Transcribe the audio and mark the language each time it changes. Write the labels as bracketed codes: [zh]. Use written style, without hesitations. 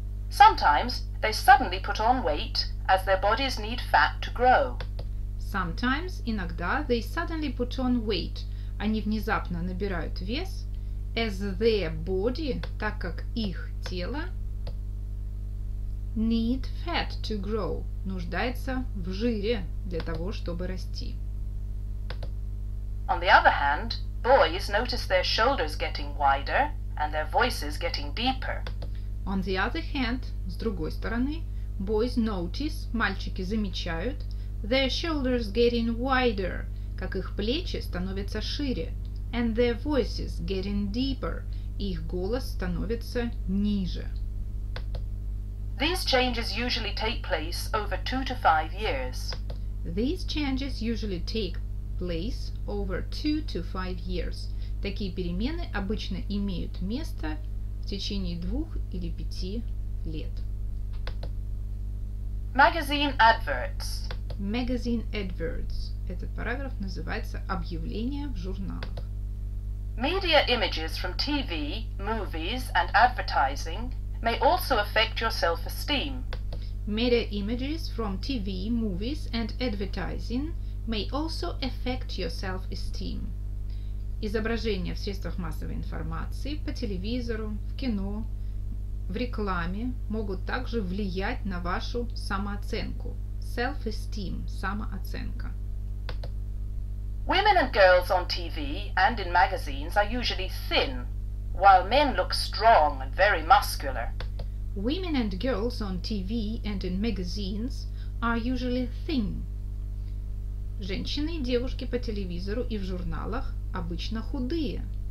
[en] Sometimes they suddenly put on weight as their bodies need fat to grow. Sometimes, иногда, they suddenly put on weight. [ru] Они внезапно набирают вес [en] as their body, [ru] так как их тело [en] need fat to grow, [ru] нуждается в жире для того, чтобы расти. [en] On the other hand, boys notice their shoulders getting wider and their voices getting deeper. On the other hand, [ru] с другой стороны, [en] boys notice, [ru] мальчики замечают, [en] their shoulders getting wider, [ru] как их плечи становятся шире, [en] and their voices getting deeper, [ru] их голос становится ниже. [en] These changes usually take place over 2 to 5 years. These changes usually take place over 2 to 5 years. [ru] Такие перемены обычно имеют место в течение 2 или 5 лет. [en] Magazine adverts. Magazine adverts. [ru] Этот параграф называется «Объявления в журналах». [en] Media images from TV, movies and advertising may also affect your self-esteem. Media images from TV, movies and advertising may also affect your self-esteem. [ru] Изображения в средствах массовой информации, по телевизору, в кино, в рекламе могут также влиять на вашу самооценку. [en] Self-esteem, самооценка. Women and girls on TV and in magazines are usually thin, while men look strong and very muscular. Women and girls on TV and in magazines are usually thin. [ru] Женщины и девушки по телевизору и в журналах обычно худые.